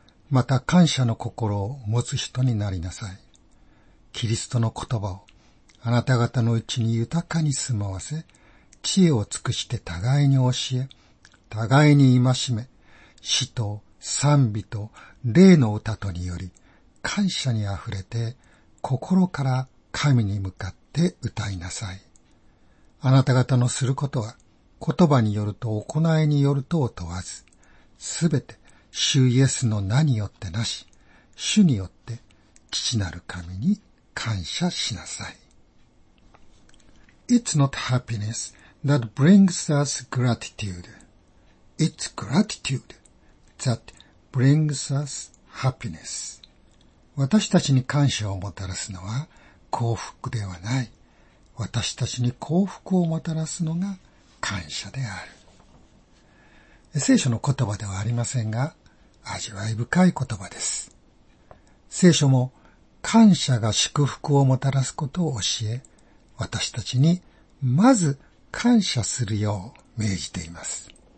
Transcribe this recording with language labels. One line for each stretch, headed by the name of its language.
Japanese: また感謝の心を持つ人になりなさい。キリストの言葉をあなた方のうちに豊かに住まわせ、知恵を尽くして互いに教え、互いに戒め、詩と賛美と霊の歌とにより感謝にあふれて心から神に向かって歌いなさい。あなた方のすることは言葉によると行いによるとを問わず、すべて主イエスの名によってなし、主によって父なる神に感謝しなさい。
English: It's not happiness that brings us gratitude. It's gratitude that brings us happiness.
Japanese: 私たちに感謝をもたらすのは幸福ではない。私たちに幸福をもたらすのが感謝である。聖書の言葉ではありませんが、味わい深い言葉です。聖書も感謝が祝福をもたらすことを教え、私たちにまず感謝するよう命じています。